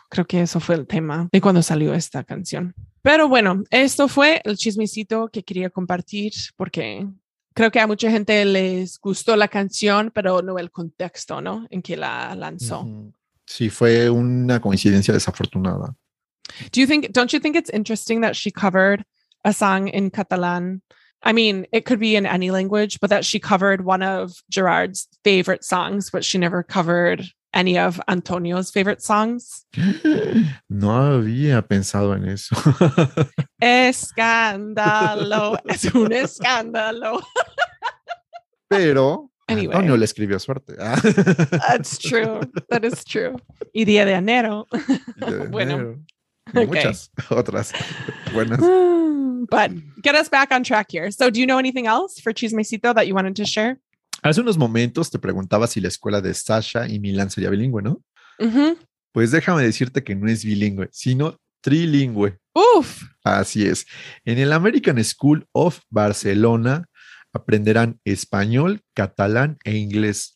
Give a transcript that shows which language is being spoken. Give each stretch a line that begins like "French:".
Spanish: Creo que eso fue el tema de cuando salió esta canción. Pero bueno, esto fue el chismecito que quería compartir porque creo que a mucha gente les gustó la canción, pero no el contexto, ¿no?, en que la lanzó. Sí, fue una coincidencia desafortunada.
English: Don't you think it's interesting that she covered a song in catalán? I mean, it could be in any language, but that she covered one of Gerard's favorite songs, but she never covered any of Antonio's favorite songs.
Spanish: No había pensado en eso. Escándalo, es un escándalo. Pero anyway, Antonio le escribió suerte.
English: That's true, that is true. Y Día de Enero.
Spanish: Bueno, okay. Muchas otras buenas.
English: But get us back on track here. So do you know anything else for Chismecito that you wanted to share?
Spanish: Hace unos momentos te preguntaba si la escuela de Sasha y Milán sería bilingüe, ¿no? Uh-huh. Pues déjame decirte que no es bilingüe, sino trilingüe. ¡Uf! Así es. En el American School of Barcelona aprenderán español, catalán e inglés.